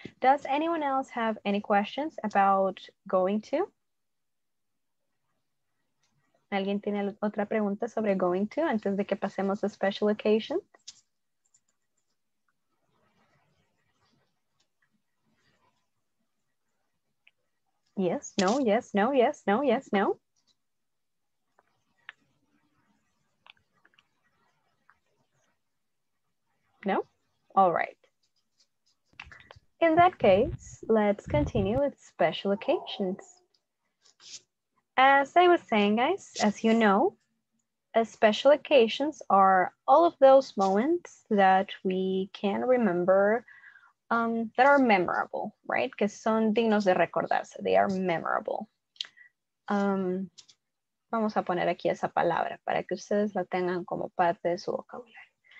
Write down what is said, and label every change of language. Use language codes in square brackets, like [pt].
[en] Does anyone else have any questions about going to? [es] ¿Alguien tiene otra pregunta sobre going to antes de que pasemos a special occasion? [en] Yes, no, yes, no, yes, no, yes, no. No? All right. In that case, let's continue with special occasions. As I was saying, guys, as you know, special occasions are all of those moments that we can remember that are memorable, right? [es] Que son dignos de recordarse. [en] They are memorable. [es] Vamos a poner aquí esa palabra para que ustedes la tengan como parte de su vocabulario.